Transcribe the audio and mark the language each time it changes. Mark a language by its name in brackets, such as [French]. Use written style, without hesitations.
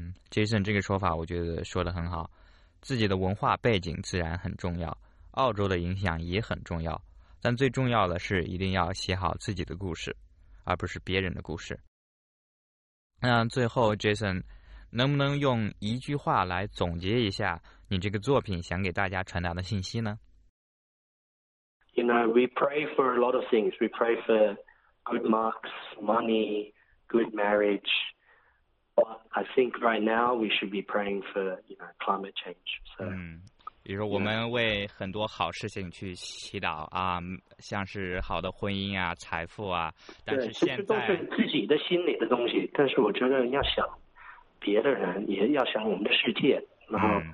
[Chinese] Jason 这个说法我觉得说得很好，自己的文化背景自然很重要，澳洲的影响也很重要，但最重要的是一定要写好自己的故事，而不是别人的故事。那最后 Jason能不能用一句话来总结一下你这个作品想给大家传达的信息呢？ [English] You know, we pray for a lot of things. We pray for good marks, money, good marriage. But I think right now we should be praying for, you know, climate change. So, [Chinese] 比如说我们为很多好事情去祈祷啊，像是好的婚姻啊、财富啊，但是现在都是自己的心里的东西，但是我觉得要想别的人，也要想我们的世界，然后